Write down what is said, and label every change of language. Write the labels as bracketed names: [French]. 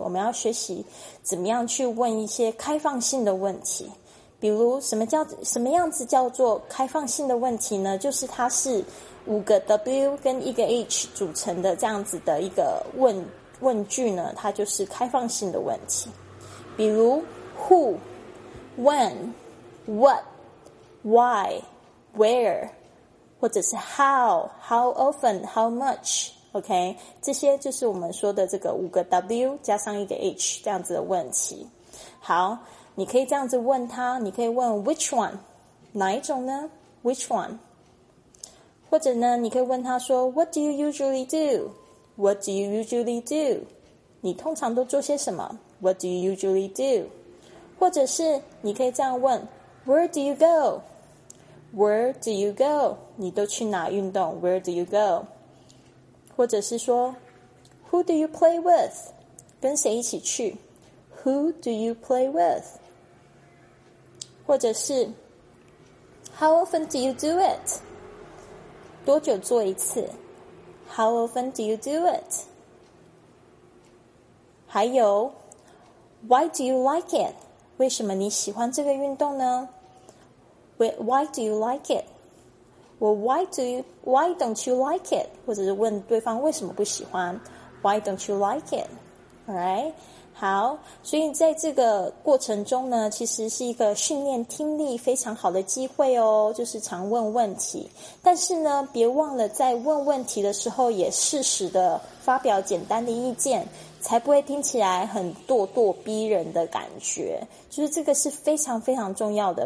[Chinese] 我们要学习怎么样去问一些开放性的问题。比如什么样子叫做开放性的问题呢？就是它是五个 W 跟一个 H 组成的这样子的一个问句呢，它就是开放性的问题。比如 [English] Who, when, what, why, where, [Chinese] 或者是 [English] how, how often, how much, OK? [Chinese] 这些就是我们说的这个五个 W 加上一个 H 这样子的问题。好，你可以这样子问他，你可以问 [English] which one, [Chinese] 哪一种呢？ [English] Which one? [Chinese] 或者呢，你可以问他说 [English] What do you usually do? What do you usually do? [Chinese] 你通常都做些什么？ [English] What do you usually do? [Chinese] 或者是你可以这样问 [English] Where do you go? Where do you go? [Chinese] 你都去哪运动？ [English] Where do you go? [Chinese] 或者是说 [English] Who do you play with? [Chinese] 跟谁一起去？ [English] Who do you play with? [Chinese] 或者是 [English] How often do you do it? [Chinese] 多久做一次？ [English] How often do you do it? [Chinese] 还有 [English] Why do you like it? [Chinese] 为什么你喜欢这个运动呢？ [English] Why do you like it? Well, why don't you like it? [Chinese] 或者是问对方为什么不喜欢？ [English] Why don't you like it? Alright? [Chinese] 好，所以在这个过程中呢，其实是一个训练听力非常好的机会哦，就是常问问题。但是呢，别忘了在问问题的时候也适时的发表简单的意见，才不会听起来很咄咄逼人的感觉，就是这个是非常非常重要的。